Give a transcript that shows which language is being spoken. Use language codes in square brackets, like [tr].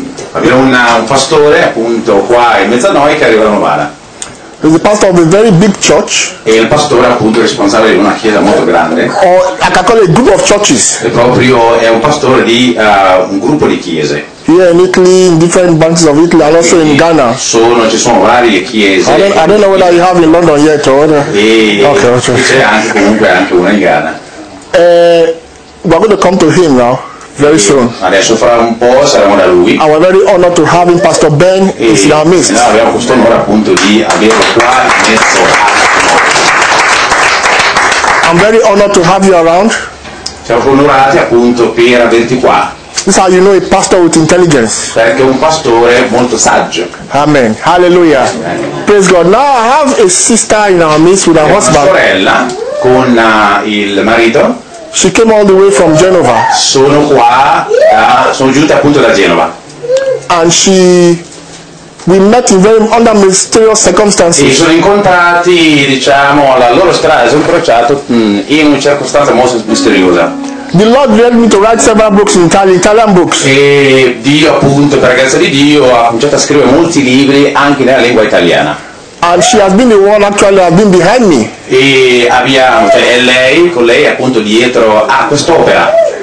[it] Abbiamo un pastore appunto qua in mezzo a noi che arriva da Novara. [en] He's the pastor of a very big church. [it] E il pastore appunto responsabile di una chiesa molto grande. [en] Or I can call it a group of churches. [it] E proprio è un pastore di un gruppo di chiese. [en] Here in Italy, in different banks of Italy, and also in Ghana. [it] Sono, ci sono varie chiese. [en] I don't know whether you have in London yet or whether. Okay, okay. [it] C'è anche comunque anche una in Ghana. [en] We're going to come to him now. Very soon. [it] Adesso fra un po' saremo da lui. [en] I'm very honored to have him, Pastor Ben, in our midst. [it] No, abbiamo questo onore appunto di averlo qua in mezzo. [en] I'm very honored to have you around. [it] Siamo onorati appunto per averti qua. [en] This is how you know a pastor with intelligence. [it] Perché un pastore molto saggio. [en] Amen. Hallelujah. Amen. Praise God. Now I have a sister in our midst with her husband. [it] Una sorella con il marito. [en] She came all the way from Genova. [it] Sono qua, sono giunta appunto da Genova. [en] And we met in very under mysterious circumstances. [it] E sono incontrati, diciamo, la loro strada si è incrociato in una circostanza molto misteriosa. [en] The Lord led me to write several books in Italian books. [it] E Dio appunto, per grazia di Dio, ha cominciato a scrivere molti libri anche nella lingua italiana. [en] And she has been the one actually has been behind me. [it] E abbiamo, cioè è lei, con lei appunto dietro a quest'opera.